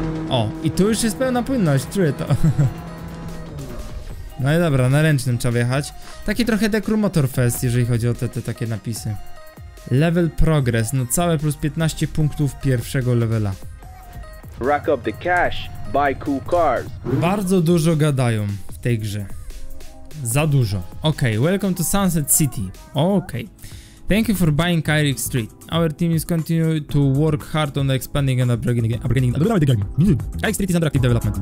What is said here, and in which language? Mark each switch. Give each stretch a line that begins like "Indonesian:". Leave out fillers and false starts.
Polish: O, i tu już jest pełna płynność, czuję to. No i dobra, na ręcznym trzeba jechać. Taki trochę Dekru Motor Fest, jeżeli chodzi o te takie napisy. Level progress, no całe plus 15 punktów pierwszego levela.
English: Rack up the cash, buy cool cars.
Polish: Bardzo dużo gadają w tej grze. Za dużo.
English: Okej, okay, welcome to Sunset City. Okej. Okay. Thank you for buying Kyrix Street. Our team is continuing to work hard on expanding and upgrading the game. Kyrix Street is under active development.